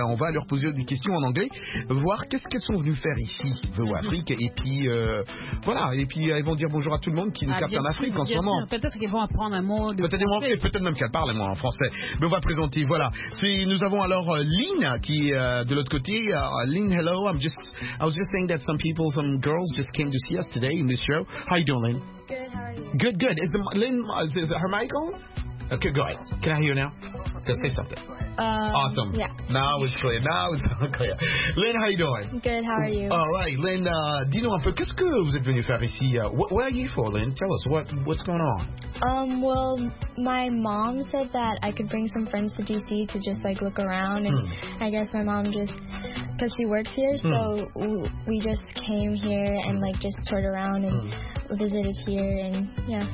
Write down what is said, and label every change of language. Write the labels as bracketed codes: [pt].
[fr] On va leur poser des questions en anglais, voir qu'est-ce qu'elles sont venues faire ici, au Afrique. Et puis, voilà. Et puis, elles vont dire bonjour à tout le monde qui nous capte en Afrique en ce moment. Peut-être qu'elles vont apprendre un mot de peut-être français. Peut-être même qu'elles parlent un mot en français. Mais on va présenter, voilà. Nous avons alors Lynn qui est de l'autre côté. [en] Lynn, hello. I was just saying that some girls just came to see us today in this show. How you doing, Lynn? Good. Is Lynn, is her mic on? Okay, go ahead. Can I hear you now? Just say something. Awesome. Yeah. Now it's clear. Lynn, how you doing? Good, how are you? All right. [fr] Lynn, dis-nous un peu, qu'est-ce que vous êtes venu faire ici? [en] Where are you for, Lynn? Tell us, what's going on? Well, my mom said that I could bring some friends to D.C. to just, look around. And I guess my mom just because she works here, so we just came here and like just toured around and visited here and yeah.